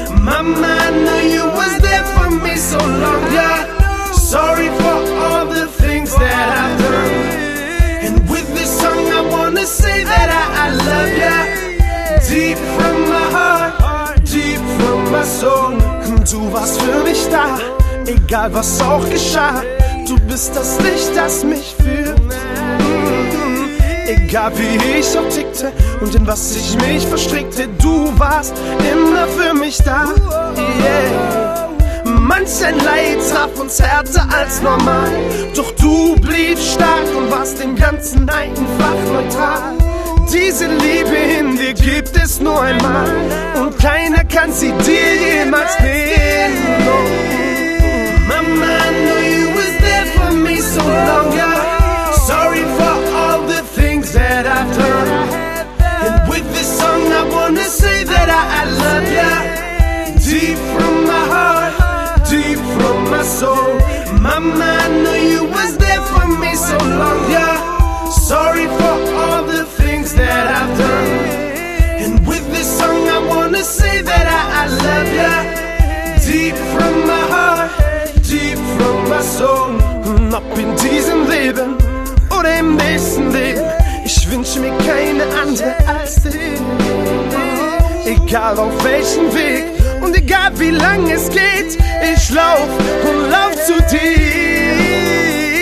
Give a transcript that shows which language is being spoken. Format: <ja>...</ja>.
<en>Mama, I know you was there for me so long, yeah. Sorry for all the things that I've done. And with this song I wanna say that I love ya. Deep from my heart, deep from my soul.</en> <de>Du warst für mich da, egal was auch geschah. Du bist das Licht, das mich führt. Egal wie ich so tickte und in was ich mich verstrickte, du warst immer für mich da, yeah. Manch ein Leid traf uns härter als normal, doch du bliebst stark und warst dem Ganzen einfach neutral. Diese Liebe in dir gibt es nur einmal und keiner kann sie dir jemals nehmen.</de> <en>Mama, I know you was there for me so long, yeah. Sorry for all the things that I've done. And with this song I wanna say that I love ya. Deep from my heart, deep from my soul. Mama, I know you was there for me so long, yeah. Sorry for all the things that I've done. And with this song I wanna say that I love ya. Deep from my heart, deep from my soul.</en> <de>Und ob in diesem Leben oder im nächsten Leben, ich wünsche mir keine andere als dich. Egal auf welchem Weg und egal wie lang es geht, ich lauf und lauf zu dir.</de>